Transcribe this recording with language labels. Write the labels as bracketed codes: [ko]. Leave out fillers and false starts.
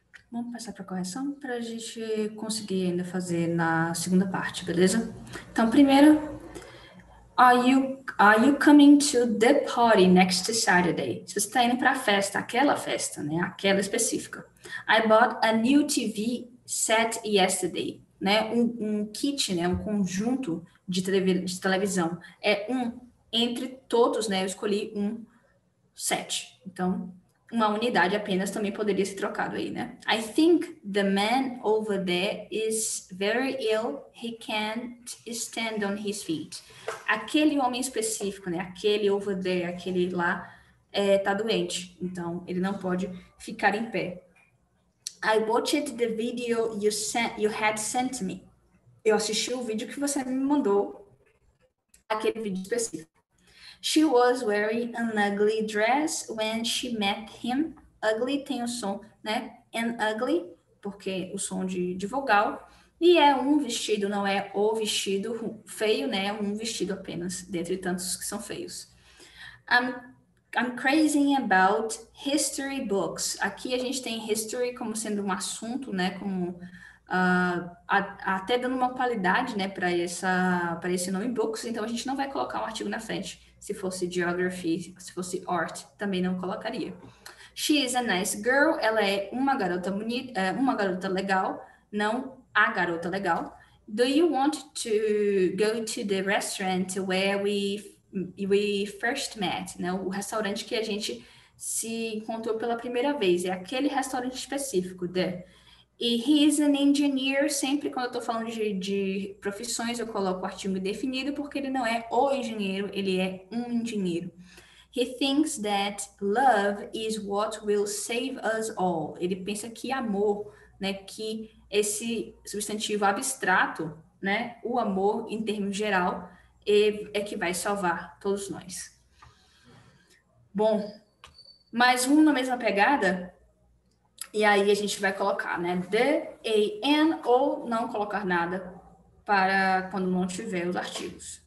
[pt] Vamos passar para a correção para a gente conseguir ainda fazer na segunda parte, beleza? Então, primeiro, [en] are you coming to the party next Saturday? [pt] Se você está indo para a festa, né? Aquela específica. [en] I bought a new TV set yesterday, né? [pt] Um kit, né? Um conjunto de televisão. É um entre todos, né? Eu escolhi um set. Então, uma unidade apenas também poderia ser trocado aí, né? [en] I think the man over there is very ill. He can't stand on his feet. [pt] Aquele homem específico, né? Aquele [en] over there, [pt] aquele lá, tá doente. Então, ele não pode ficar em pé. [en] I watched the video you had sent me. [pt] Eu assisti o vídeo que você me mandou. Aquele vídeo específico. [en] She was wearing an ugly dress when she met him. [pt] Ugly tem o som, né? An ugly, porque o som de vogal. E é um vestido, não é o vestido feio, né? Um vestido apenas, dentre tantos que são feios. [en] I'm crazy about history books. [pt] Aqui a gente tem history como sendo um assunto, né? Como até dando uma qualidade, né? Para esse nome books. Então a gente não vai colocar um artigo na frente. Se fosse geography, se fosse art, também não colocaria. [en] She is a nice girl. [pt] Ela é uma garota bonita, uma garota legal, não a garota legal. [en] Do you want to go to the restaurant where we first met? [pt] Né? O restaurante que a gente se encontrou pela primeira vez. É aquele restaurante específico. E [en] he is an engineer. [pt] Sempre quando eu estou falando de profissões, eu coloco o artigo indefinido, porque ele não é o engenheiro, ele é um engenheiro. [en] He thinks that love is what will save us all. [pt] Ele pensa que amor, né, que esse substantivo abstrato, né, o amor em termos geral, é que vai salvar todos nós. Bom, mais um na mesma pegada. E aí a gente vai colocar, né, the, a, an, ou não colocar nada para quando não tiver os artigos.